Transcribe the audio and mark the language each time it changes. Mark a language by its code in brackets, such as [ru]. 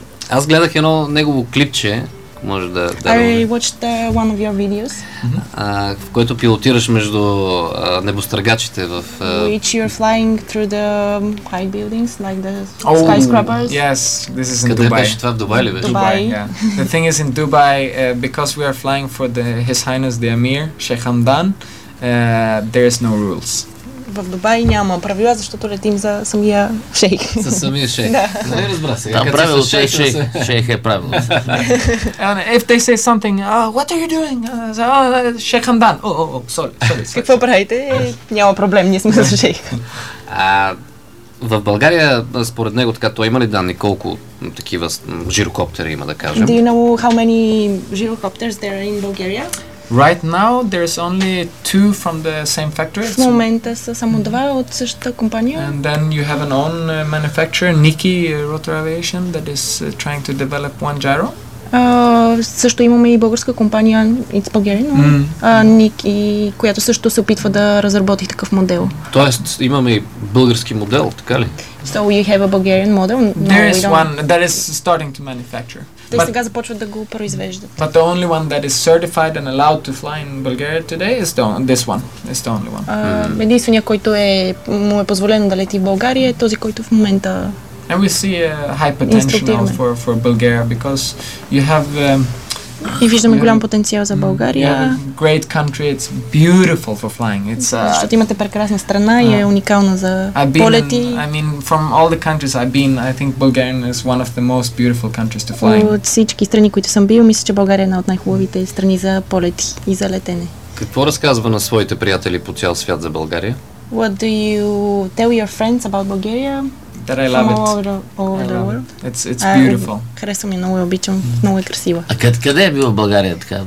[bg] Аз гледах едно негово клипче. Може да [en] One of your videos. [bg] В който пилотираш между небостъргачите в [en] Which you're flying through the high buildings like the skyscrapers. Yes, this is in Dubai. [bg] Беше това в Дубай ли беше? [en] Dubai, yeah. The thing is in Dubai because we are flying for the His Highness the Emir Sheikh Hamdan, there is no rules. [bg] В Дубай няма правила, защото летим за самия шейх. За самия шейх. Да. Не разбра се. Там правило, шейх, шейх, шейх е правило. [en] And if they say something, what are you doing? [bg] Шейх Хамдан. Sorry. Какво правите? Няма проблем, ние сме с шейх. В България, според него, така, той има ли данни колко такива жирокоптери има, да кажем? [en] Do you know how many gyrocopters there are in Bulgaria? Right now there's only two from the same factory. [bg] В момента са само два от същата компания. [en] And then you have an own manufacturer, Niki Rotor Aviation, that is trying to develop one gyro. [bg] Също имаме и българска компания, [en] It's Bulgarian, [bg] Niki, която също се опитва да разработи такъв модел. Тоест имаме и български модел, така ли? [en] So you have a Bulgarian model? There is one that is starting to manufacture. [bg] Те сега започват да го произвеждат. [en] But the only one that is certified and allowed to fly in Bulgaria today is this one. It's the only one. [bg] Единственият, който му е позволено да лети в България, е този, който в момента. [en] And we see a high potential for Bulgaria because you have [bg] И виждаме голям потенциал за България. [en] Great country, it's beautiful for flying. [bg] Защото имате прекрасна страна и е уникална за полети. [en] I mean, from all the countries I've been, I think Bulgaria is one of the most beautiful countries to fly. [bg] От всички страни, които съм бил, мисля, че България е една от най-хубавите страни за полети и за летене. Какво разказва на своите приятели по цял свят за България? [en] What do you tell your friends about Bulgaria? That I love it. All over the world. It's beautiful. [bg] Харесва ми много, обичам. Много е красива. А къде е била България така?